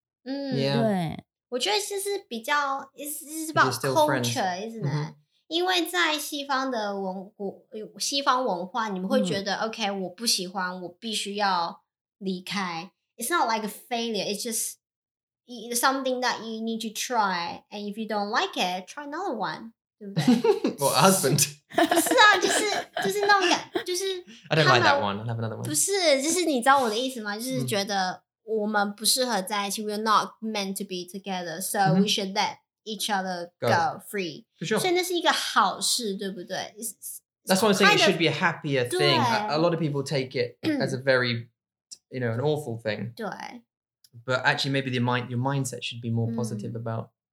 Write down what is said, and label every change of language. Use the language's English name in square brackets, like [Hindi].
[Chinese] 当然我必须承认他失败了,因为他不成功嘛,没有办法走下去。可是我觉得如果大家都是开心的,我们还是朋友。对。我觉得这是比较, [English] it's about culture, isn't it? [Chinese] 因为在西方的文化,你们会觉得, okay,我不喜欢,我必须要离开。 [English] It's not like a failure, it's just... It's something that you need to try, and if you don't like it, try another one. [Chinese] 对不对? [English] Or husband. [Chinese] 不是啊,就是那种感觉, [English] I don't like that one, I'll have another one. [Chinese] 不是,就是你知道我的意思吗? [English] We're not meant to be together, so we should let each other go free. For sure. [Chinese] 所以那是一个好事, 对不对? [English] That's what I'm saying, it should be a happier thing. A lot of people take it as a very, you know, an awful thing. [Chinese] 对。 [English] But actually, maybe your mindset should be more positive about.